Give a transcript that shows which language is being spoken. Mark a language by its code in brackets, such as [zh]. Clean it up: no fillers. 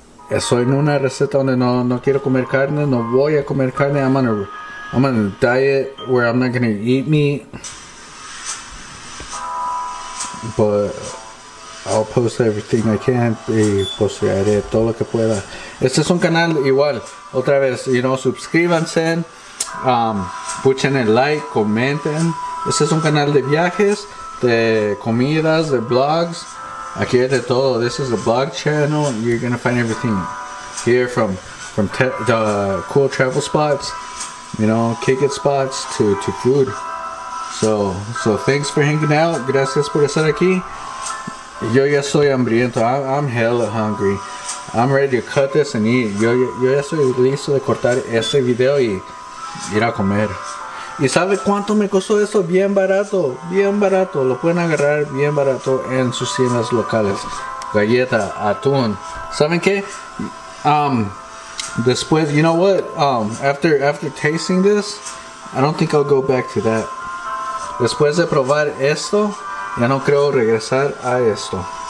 [es] Estoy en una receta donde no quiero comer carne. No voy a comer carne. [en] I'm on a diet where I'm not gonna eat meat. But I'll post everything I can [es] y postearé todo lo que pueda. Este es un canal igual, otra vez, [en] you know, [es] suscríbanse, puchen el like, comenten. Este es un canal de viajes, de comidas, de blogs. Aquí hay de todo. [en] This is a blog channel. You're gonna find everything here from the cool travel spots, you know, kick it spots to food. So thanks for hanging out. [es] Gracias por estar aquí. Yo ya soy hambriento. [en] I'm hella hungry. I'm ready to cut this and eat. [es] Yo ya estoy listo de cortar este video y ir a comer. ¿Y sabe cuánto me costó eso? Bien barato. Lo pueden agarrar bien barato en sus tiendas locales. Galleta, atún. ¿Saben qué? Después, [en] you know what? After tasting this, I don't think I'll go back to that. [es] Después de probar esto, ya no creo regresar a esto.